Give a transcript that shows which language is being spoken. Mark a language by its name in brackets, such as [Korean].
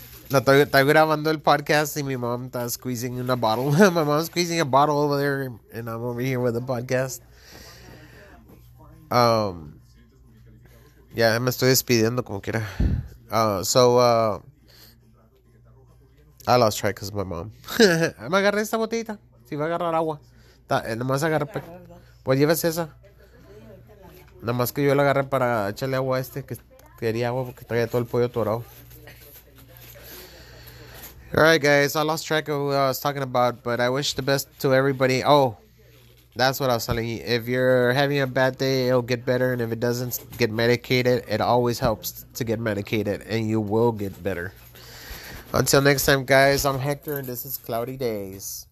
[Spanish] No estoy grabando el podcast y mi mom está [English] squeezing in a bottle. My mom's squeezing a bottle over there and I'm over here with the podcast. Yeah, [Spanish] me estoy despidiendo como quiera. [English] I lost track because of my mom. [Spanish] Me agarré esta botellita. Si va a agarrar agua. Nomás agarré. Pues llevas esa. Nomás que yo la agarré para echarle agua a este. Que quería agua porque traía todo el pollo torado. [English] Alright, guys. I lost track of what I was talking about. But I wish the best to everybody. Oh. That's what I was telling you. If you're having a bad day, it'll get better. And if it doesn't, get medicated. It always helps to get medicated. And you will get better. Until next time, guys. I'm Hector, and this is Cloudy Days.